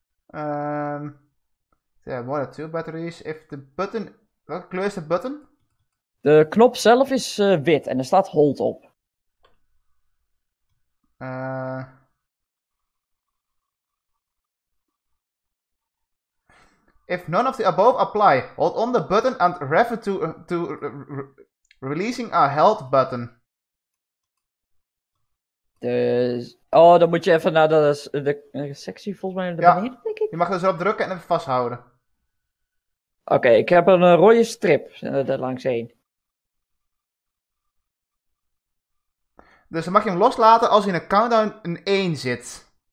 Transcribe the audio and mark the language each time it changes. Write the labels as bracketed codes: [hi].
[en] There are more than 2 batteries. If the button... [nl] Welke kleur is de button? De knop zelf is wit en er staat hold op. [en] If none of the above apply, hold on the button and refer to releasing a held button. [nl] Dus, oh, dan moet je even naar de sectie volgens mij naar de ja. Beneden, denk ik. Je mag er zo op drukken en even vasthouden. Oké, okay, ik heb een rode strip er langs heen. Dus dan mag je hem loslaten als in een countdown een 1 zit.